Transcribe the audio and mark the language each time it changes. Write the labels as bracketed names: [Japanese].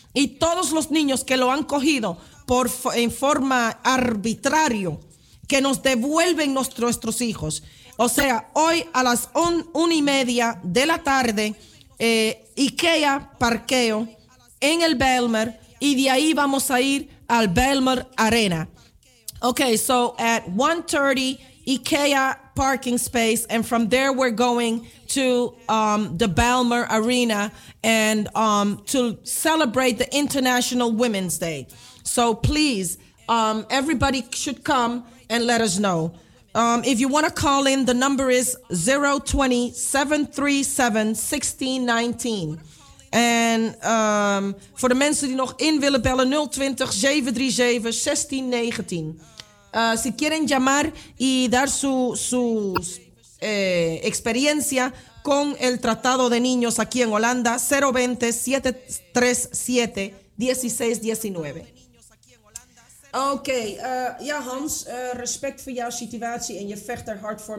[Spanish] Y todos los niños que lo han cogido en forma arbitraria, que nos devuelven nuestros hijos. O sea, hoy a las 1:30 de la tarde, IKEA parqueo en el Bijlmer, y de ahí vamos a ir al Bijlmer Arena. [English] Okay, so at 1:30 IKEA parking space, and from there we're going to the Bijlmer Arena and to celebrate the International Women's Day. So please, everybody should come and let us know. If you want to call in, the number is 020-737-1619. And for the [Dutch] mensen die nog in willen bellen, 020-737-1619. [Spanish] Si quieren llamar y dar su experiencia con el tratado de niños aquí en Holanda, 020-737-1619. [Dutch] Oké, ja Hans, respect voor jouw situatie en je vecht er hard voor.